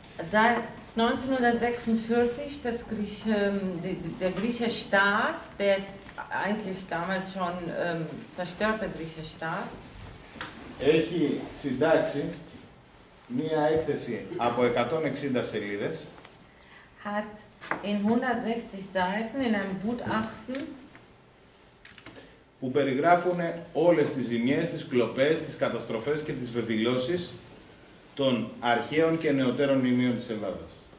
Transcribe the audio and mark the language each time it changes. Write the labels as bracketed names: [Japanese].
[German] Seit 1946 das griechische der griechische Staat, der eigentlich damals schon zerstörte griechische Staat. [Greek] Έχει συντάξει μία έκθεση από 160 σελίδες. [German] Hat in 160 Seiten in einem Gutachten [Greek] που περιγράφουν όλες τις ζημιές, τις κλοπές, τις καταστροφές και τις βεβηλώσεις των αρχαίων και νεωτέρων μνημείων της Ελλάδας.